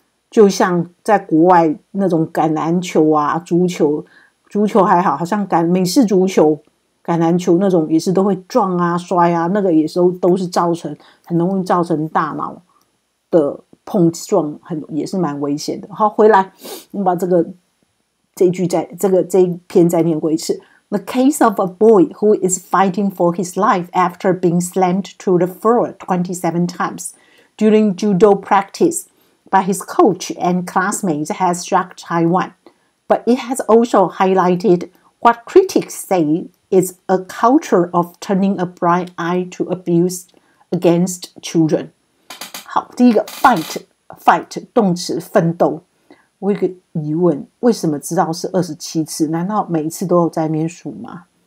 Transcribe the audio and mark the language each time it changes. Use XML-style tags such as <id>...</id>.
<zh>就像在国外那种橄榄球啊，足球还好，好像美式足球橄榄球那种也是都会撞啊摔啊，那个也是都是造成很容易造成大脑的碰撞，很也是蛮危险的。好，回来我们把这个这一句在这个这一篇再念过一次。</zh> <en>The case of a boy who is fighting for his life after being slammed to the floor 27 times during judo practice by his coach and classmates has struck Taiwan. But it has also highlighted what critics say is a culture of turning a blind eye to abuse against children.</en> <zh>好，第一个 fight 动词奋斗。我有个疑问，为什么知道是27次？难道每一次都有在面数吗？</zh>